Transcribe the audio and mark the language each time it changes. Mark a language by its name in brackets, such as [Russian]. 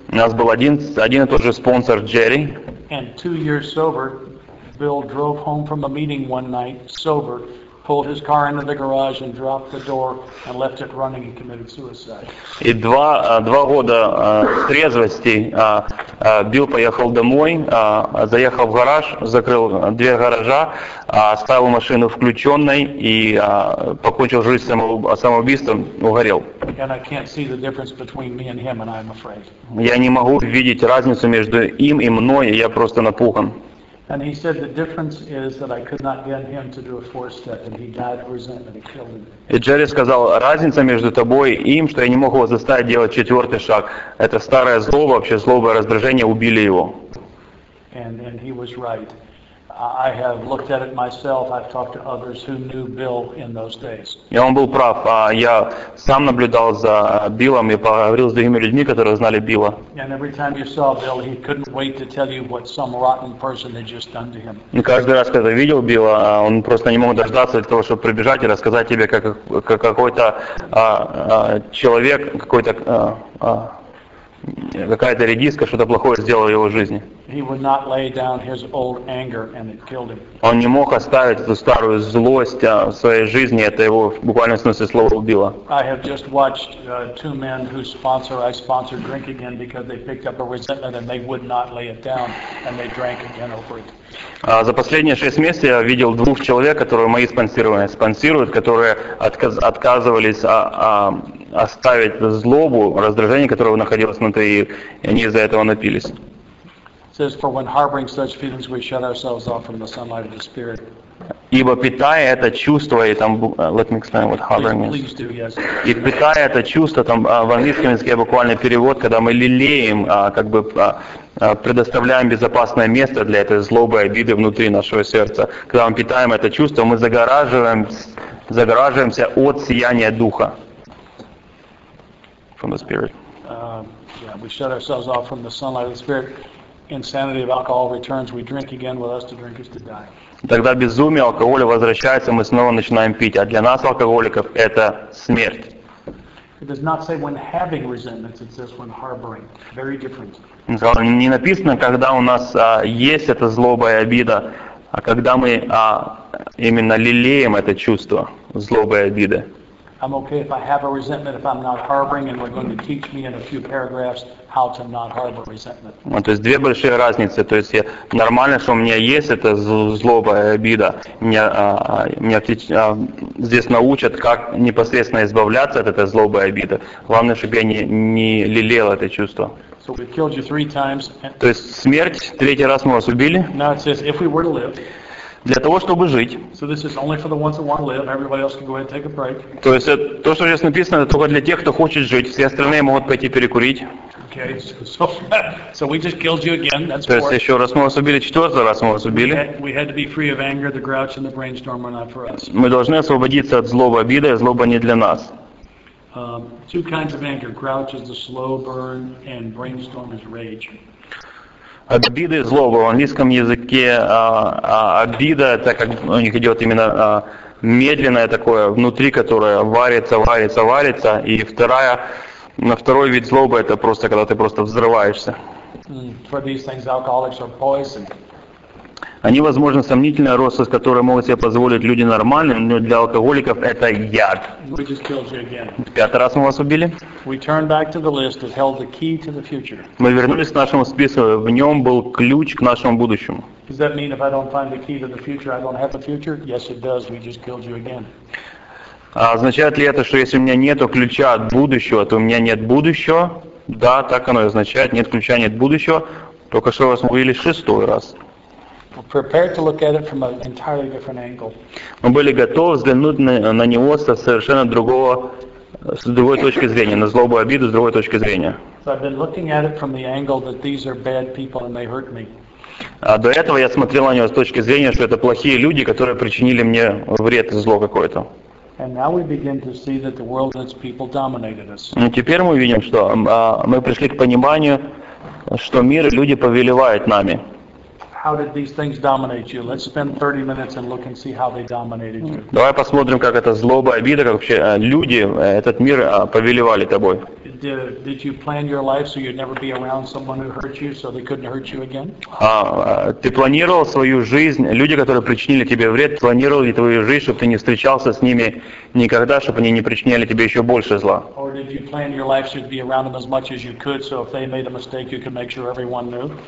[Russian] У нас был один и тот же спонсор Джерри. [English] And 2 years sober, Bill drove home from a meeting one night sober. Pulled his car into the garage and dropped the door and left it running and committed suicide. [Russian] И два года трезвости Билл поехал домой, заехал в гараж, закрыл две гаража, оставил машину включенной и покончил жизнь самоубийством, угорел. [English] And I can't see the difference between me and him, and I'm afraid. [Russian] Я не могу видеть разницу между им и мной, я просто напуган. [English] And he said the difference is that I could not get him to do a 4-step, and he died of resentment and killed him. [Russian] И Джерри сказал, разница между тобой и им, что я не мог его заставить делать 4-й шаг. Это старая злоба, вообще злоба и раздражение убили его. [English] And he was right. I have looked at it myself. I've talked to others who knew Bill in those days. [Russian] И он был прав. Я сам наблюдал за Биллом и поговорил с другими людьми, которые знали Билла. [English] And every time you saw Bill, he couldn't wait to tell you what some rotten person had just done to him. [Russian] И каждый раз, когда видел Билла, он просто не мог дождаться для того, чтобы прибежать и рассказать тебе, как какой-то человек, какой-то какая-то редиска что-то плохое сделала в его жизни. [English] He would not lay down his old anger, and it killed him. [Russian] Он не мог оставить эту старую злость в своей жизни, это его в буквальном смысле слова убило. [English] I have just watched two men whose sponsor I sponsored drink again because they picked up a resentment and they would not lay it down and they drank again over it. [Russian] За последние 6 месяцев я видел двух человек, которые мои спонсируют, которые отказывались оставить злобу, раздражение, которое находилось внутри, и они из-за этого напились. [English] Says, for when harboring such feelings, we shut ourselves off from the sunlight of the Spirit. [Russian] Ибо питая это чувство, и там, [English] let me explain what hovering is. Please do, yes. [Russian] И питая это чувство, там в английском языке буквально перевод, когда мы лелеем, как бы предоставляем безопасное место для этой злобы и обиды внутри нашего сердца. Когда мы питаем это чувство, мы загораживаемся от сияния Духа. [English] From the Spirit. Yeah, we shut ourselves off from the sunlight of the Spirit. Insanity of alcohol returns. We drink again. With us to drink is to die. [Russian] Тогда безумие алкоголя возвращается, мы снова начинаем пить. А для нас, алкоголиков, это смерть. Не написано, когда у нас есть эта злоба и обида, а когда мы именно лелеем это чувство злобы и обиды. I'm okay if I have a resentment if I'm not harboring, and we're going to teach me in a few paragraphs how to not harbor resentment. Ну, то есть две большие разницы. То есть нормально, что у меня есть это злоба и обида. Меня здесь научат, как непосредственно избавляться от этой злобы и обиды. Главное, чтобы я не лелеял это чувство. [English] So we killed you three times. [Russian] То есть смерть, третий раз мы вас убили. [English] Now it says, if we were to live. [Russian] Для того, чтобы жить. То есть то, что здесь написано, это только для тех, кто хочет жить. Все остальные могут пойти перекурить. [English] Okay, so we just killed you again. That's [Russian] то есть еще раз мы вас убили, четвертый раз мы вас убили. Мы должны освободиться от злобы, обиды, злоба не для нас. [English] Two kinds of anger. Grouch is the slow burn, and brainstorm is rage. [Russian] Обиды и злоба. В английском языке обида, это как у них идет именно медленное такое, внутри которое варится. И второй вид злобы, это просто, когда ты просто взрываешься. [English] For these things, alcoholics are poison. [Russian] Они, возможно, сомнительные росты, с которыми могут себе позволить люди нормальные, но для алкоголиков это яд. [English] We just killed you again. [Russian] Пятый раз мы вас убили. [English] We turned back to the list that held the key to the future. [Russian] Мы вернулись к нашему списку, в нем был ключ к нашему будущему. [English] Does that mean if I don't find the key to the future, I don't have a future? Yes, it does. We just killed you again. [Russian] А означает ли это, что если у меня нет ключа от будущего, то у меня нет будущего? Да, так оно и означает. Нет ключа, нет будущего. Только что вас убили шестой раз. [English] Prepared to look at it from an entirely different angle. [Russian] Мы были готовы взглянуть на него со совершенно другого, с другой точки зрения, на злобу и обиду с другой точки зрения. [English] So I've been looking at it from the angle that these are bad people and they hurt me. [Russian] А до этого я смотрел на него с точки зрения, что это плохие люди, которые причинили мне вред, зло какое-то. [English] And now we begin to see that the world and its people dominated us. [Russian] Ну теперь мы видим, что мы пришли к пониманию, что мир и люди повелевают нами. [English] How did these things dominate you? Let's spend 30 minutes and look and see how they dominated you. [Russian] Давай посмотрим, как это злоба, обида, как вообще люди этот мир повелевали тобой. [English] Did you plan your life so you'd never be around someone who hurt you, so they couldn't hurt you again? [Russian] Ты планировал свою жизнь, люди, которые причинили тебе вред, планировал ли твою жизнь, чтобы ты не встречался с ними никогда, чтобы они не причиняли тебе еще больше зла? [English] Or did you plan your life so you'd be around them as much as you could, so if they made a mistake, you could make sure everyone knew?